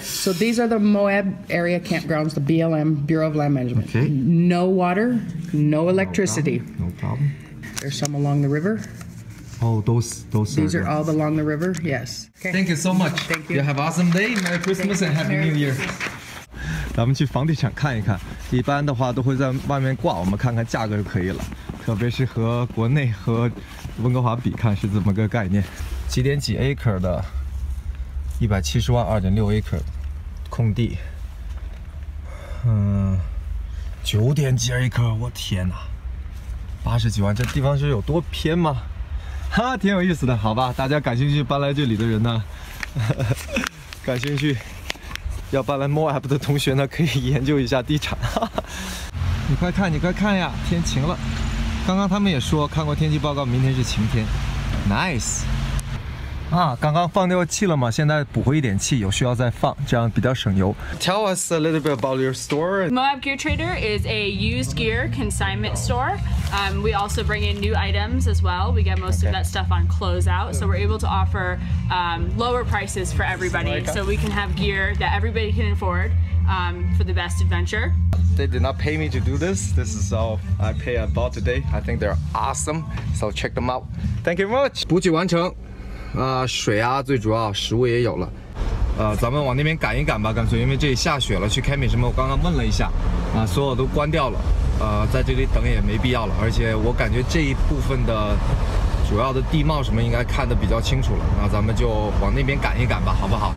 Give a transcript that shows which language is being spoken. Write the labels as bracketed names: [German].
[English] So these are the Moab Area Campgrounds, the BLM, Bureau of Land Management. Okay. No water, no electricity. No problem. There's some along the river. Oh, those these are all along the river, yes. Okay. Thank you so much. Thank you. You have an awesome day. Merry Christmas and Happy New Year. [Chinese] 咱们去房地产看一看，一般的话都会在外面挂，我们看看价格就可以了。特别是和国内和温哥华比，看是怎么个概念。几点几 acre 的？170万，2.6 acre 空地。 9点几 acre， 我天哪！ 80几万，这地方是有多偏吗？哈，挺有意思的，好吧，大家感兴趣搬来这里的人呢，感兴趣要搬来 Moab 的同学呢，可以研究一下地产。你快看，你快看呀，天晴了。刚刚他们也说看过天气报告，明天是晴天。 [English] Nice。 [Chinese] 啊，刚刚放掉气了嘛，现在补回一点气，有需要再放，这样比较省油。 [English] Tell us a little bit about your store. Moab Gear Trader is a used gear consignment store. We also bring in new items as well. We get most of that stuff on closeout, so we're able to offer lower prices for everybody. So we can have gear that everybody can afford for the best adventure. They did not pay me to do this. This is all I pay. I bought today. I think they're awesome. So check them out. Thank you much. [Chinese] 补给完成。水啊，最主要食物也有了，咱们往那边赶一赶吧，干脆，因为这里下雪了，去 camping 什么，我刚刚问了一下，所有都关掉了，在这里等也没必要了，而且我感觉这一部分的主要的地貌什么应该看得比较清楚了，那咱们就往那边赶一赶吧，好不好？